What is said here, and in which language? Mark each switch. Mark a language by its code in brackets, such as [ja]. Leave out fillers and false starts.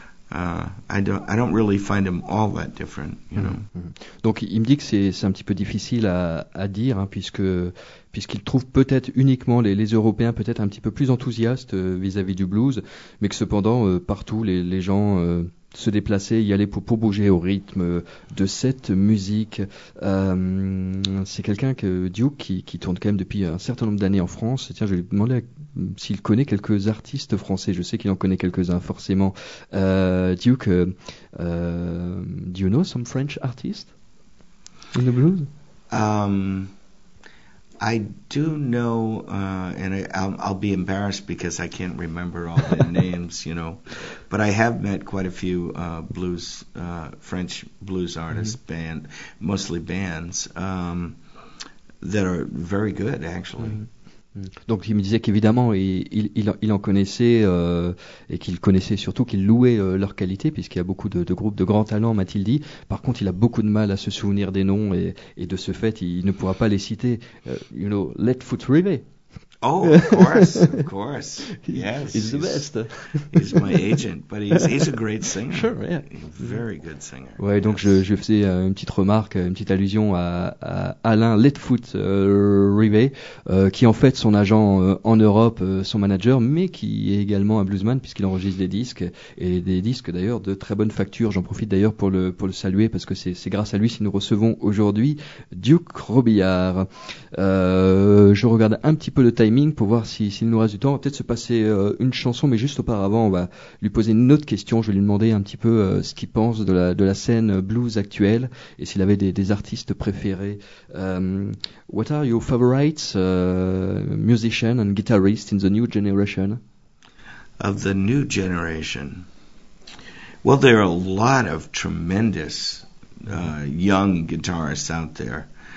[en] I don't really find them all that different, you know. [fr] Donc il me dit que c'est un petit peu difficile à dire, hein, puisque puisqu'ils trouvent peut-être uniquement les Européens peut-être un petit peu plus enthousiastes vis-à-vis du blues, mais que cependant, partout, les gens se déplaçaient, y allaient pour bouger au rythme de cette musique. C'est quelqu'un que Duke, qui tourne quand même depuis un certain nombre d'années en France. Tiens, je lui demandais s'il connaît quelques artistes français. Je sais qu'il en connaît quelques-uns, forcément. [en] Duke, do you know some French artists in the blues? I do know, and I'll be embarrassed because I can't remember all the names, you know, but I have met quite a few blues, French blues artists, mm-hmm. band, mostly bands, that are very good, actually. Mm-hmm. [fr] Donc il me disait qu'évidemment il en connaissait et qu'il connaissait surtout qu'il louait leur qualité puisqu'il y a beaucoup de groupes de grands talents, m'a-t-il dit. Par contre, il a beaucoup de mal à se souvenir des noms et de ce fait, il ne pourra pas les citer. [en] You know, Led Foot River. Oh, of course. Yes. He's the best. He's my agent, but he's a great singer. Sure, yeah. Very good singer. [fr] Ouais, [en] yes. [fr] Donc je faisais une petite remarque, une petite allusion à Alain Leadfoot Rivet, qui est en fait son agent en Europe, son manager, mais qui est également un bluesman puisqu'il enregistre des disques, et des disques d'ailleurs de très bonne facture. J'en profite d'ailleurs pour le saluer parce que c'est grâce à lui si nous recevons aujourd'hui Duke Robillard. Je regarde un petit peu le timing pour voir s'il nous reste du temps. On va peut-être se passer une chanson, mais juste auparavant on va lui poser une autre question. Je vais lui demander un petit peu ce qu'il pense de la scène blues actuelle et s'il avait des artistes préférés. [en] What are your favorites musician and guitarist in the new generation? Of the new generation? Well, there are a lot of tremendous young guitarists out there.